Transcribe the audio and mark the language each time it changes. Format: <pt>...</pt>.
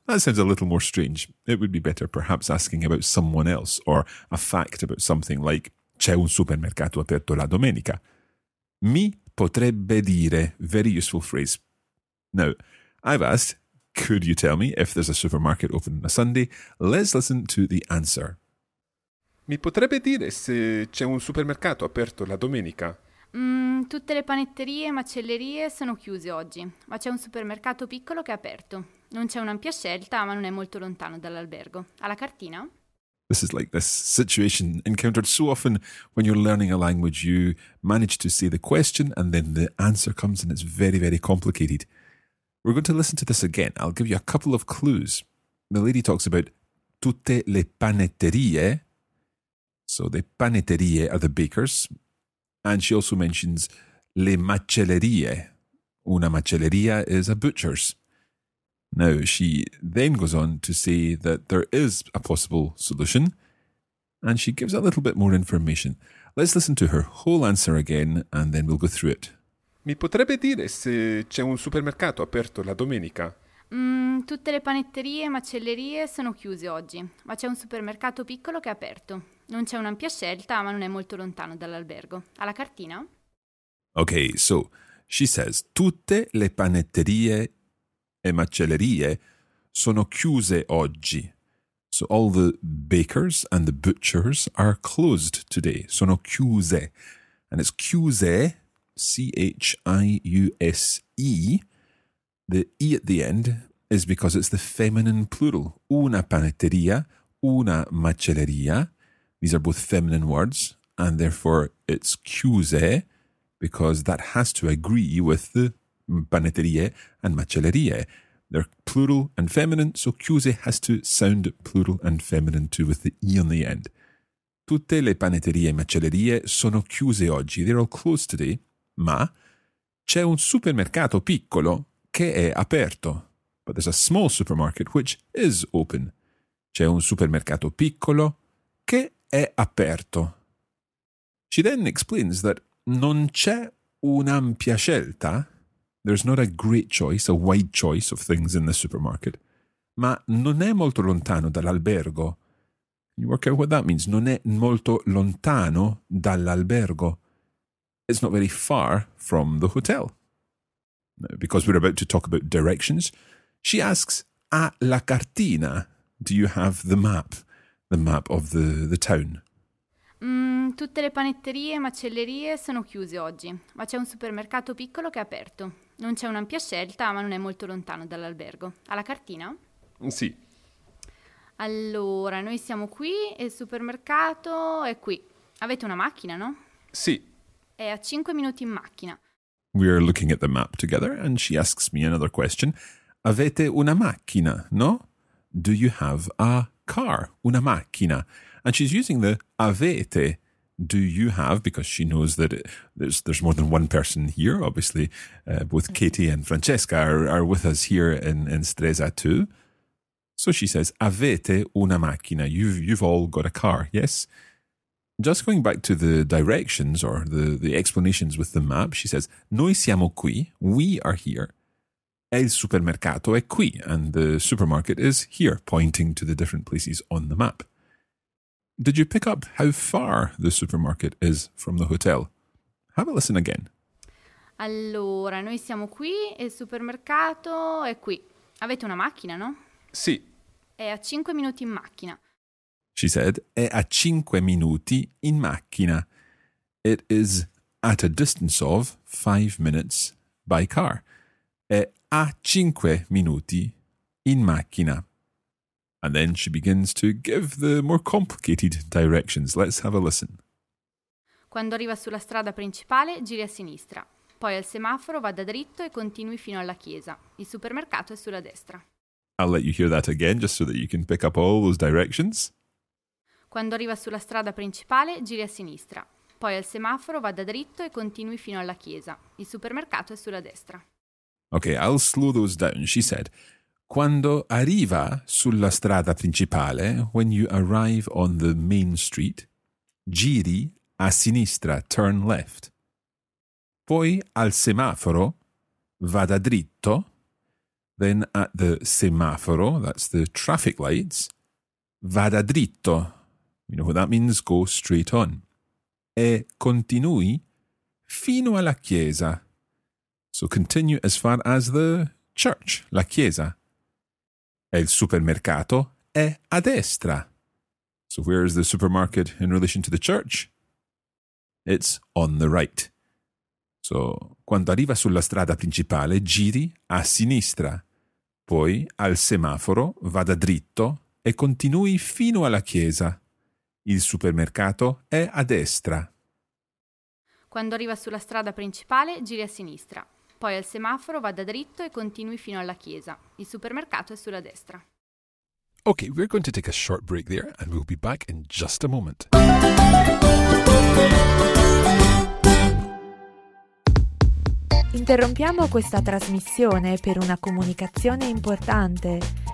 <en>That sounds a little more strange. It would be better perhaps asking about someone else, or a fact about something like</en> <it>c'è un supermercato aperto la domenica. Mi potrebbe dire.</it> <en>Very useful phrase. Now, I've asked, could you tell me if there's a supermarket open on a Sunday? Let's listen to the answer.</en> <it>Mi potrebbe dire se c'è un supermercato aperto la domenica? Tutte le panetterie e macellerie sono chiuse oggi, ma c'è un supermercato piccolo che è aperto. Non c'è un'ampia scelta, ma non è molto lontano dall'albergo. Alla cartina?</it> <en>This is like this situation encountered so often when you're learning a language. You manage to say the question and then the answer comes and it's very, very complicated. We're going to listen to this again. I'll give you a couple of clues. The lady talks about</en> <it>tutte le panetterie.</it> <en>So the panetterie are the bakers. And she also mentions</en> <it>le macellerie. Una macelleria</it> <en>is a butcher's. Now, she then goes on to say that there is a possible solution, and she gives a little bit more information. Let's listen to her whole answer again, and then we'll go through it.</en> <it>Mi potrebbe dire se c'è un supermercato aperto la domenica? Tutte le panetterie e macellerie sono chiuse oggi, ma c'è un supermercato piccolo che è aperto. Non c'è un'ampia scelta, ma non è molto lontano dall'albergo. Alla cartina?</it> <en>Okay, so she says,</en> <it>tutte le panetterie e macellerie sono chiuse oggi.</it> <en>So all the bakers and the butchers are closed today.</en> <it>Sono chiuse.</it> <en>And it's chiuse, C-H-I-U-S-E. The E at the end is because it's the feminine plural.</en> <it>Una panetteria, una macelleria.</it> <en>These are both feminine words. And therefore it's chiuse because that has to agree with the panetterie and macellerie. They're plural and feminine, so chiuse has to sound plural and feminine too, with the E on the end.</en> <it>Tutte le panetterie e macellerie sono chiuse oggi.</it> <en>They're all closed today.</en> <it>Ma c'è un supermercato piccolo che è aperto.</it> <en>But there's a small supermarket which is open.</en> <it>C'è un supermercato piccolo che è aperto.</it> <en>She then explains that</en> <it>non c'è un'ampia scelta.</it> <en>There's not a great choice, a wide choice of things in the supermarket.</en> <it>Ma non è molto lontano dall'albergo.</it> <en>You work out what that means.</en> <it>Non è molto lontano dall'albergo.</it> <en>It's not very far from the hotel. Because we're about to talk about directions, she asks,</en> <it>a la cartina,</it> <en>do you have the map of the town?</en> <it>Tutte le panetterie e macellerie sono chiuse oggi, ma c'è un supermercato piccolo che è aperto. Non c'è un'ampia scelta, ma non è molto lontano dall'albergo. Alla cartina? Sì. Allora, noi siamo qui e il supermercato è qui. Avete una macchina, no? Sì. È a 5 minuti in macchina.</it> <en>We are looking at the map together and she asks me another question.</en> <it>Avete una macchina, no?</it> <en>Do you have a car?</en> <it>Una macchina.</it> <en>And she's using the avete. Do you have, because she knows that there's more than one person here, obviously. Both Katie and Francesca are with us here in Stresa too. So she says,</en> <it>avete una macchina.</it> <en>You've all got a car, yes? Just going back to the directions or the explanations with the map, she says,</en> <it>noi siamo qui,</it> <en>we are here.</en> <it>Il supermercato è qui,</it> <en>and the supermarket is here, pointing to the different places on the map. Did you pick up how far the supermarket is from the hotel? Have a listen again.</en> <it>Allora, noi siamo qui e il supermercato è qui. Avete una macchina, no? Sì. È a 5 minuti in macchina.</it> <en>She said,</en> <it>è a 5 minuti in macchina.</it> <en>It is at a distance of 5 minutes by car.</en> <it>È a 5 minuti in macchina.</it> <en>And then she begins to give the more complicated directions. Let's have a listen.</en> <it>Quando arriva sulla strada principale, giri a sinistra. Poi al semaforo vada dritto e continui fino alla chiesa. Il supermercato è sulla destra.</it> <en>I'll let you hear that again just so that you can pick up all those directions.</en> <it>Quando arriva sulla strada principale, giri a sinistra. Poi al semaforo vada dritto e continui fino alla chiesa. Il supermercato è sulla destra.</it> <en>Okay, I'll slow those down, she said.</en> <it>Quando arriva sulla strada principale,</it> <en>when you arrive on the main street,</en> <it>giri a sinistra,</it> <en>turn left.</en> <it>Poi al semaforo vada dritto.</it> <en>Then at the semaforo, that's the traffic lights,</en> <it>vada dritto.</it> <en>You know what that means, go straight on.</en> <it>E continui fino alla chiesa.</it> <en>So continue as far as the church, la chiesa.</en> <it>E il supermercato è a destra.</it> <en>So where is the supermarket in relation to the church? It's on the right.</en> <it>So quando arriva sulla strada principale, giri a sinistra. Poi al semaforo vada dritto e continui fino alla chiesa. Il supermercato è a destra. Quando arriva sulla strada principale, giri a sinistra. Poi al semaforo vada dritto e continui fino alla chiesa. Il supermercato è sulla destra.</it> <en>Okay, we're going to take a short break there and we'll be back in just a moment.</en> <it>Interrompiamo questa trasmissione per una comunicazione importante.</it>